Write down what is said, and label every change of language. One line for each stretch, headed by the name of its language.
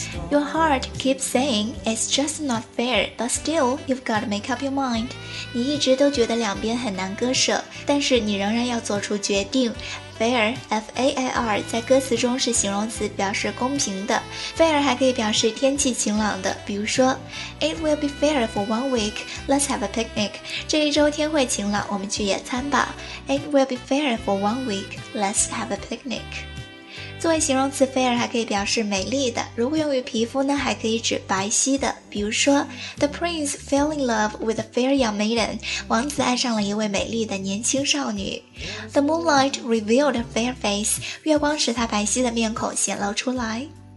English: Your heart keeps saying it's just not fair, but still you've got to make up your mind.
Chinese: 你一直都觉得两边很难割舍，但是你仍然要做出决定。 Fair, F-A-I-R, 在歌词中是形容词，表示公平的。
English: Fair
Chinese: 还可以表示天气晴朗的，比如说
English: It will be fair for one week, let's have a picnic.
Chinese: 这一周天会晴朗，我们去野餐吧。
English: It will be fair for one week, let's have a picnic.
Chinese: 作为形容词，fair 还可以表示美丽的，如果用于皮肤呢，还可以指白皙的，比如说
English: The prince fell in love with a fair young maiden，
Chinese: 王子爱上了一位美丽的年轻少女。
English: The moonlight revealed a fair face，
Chinese: 月光使她白皙的面孔显露出来。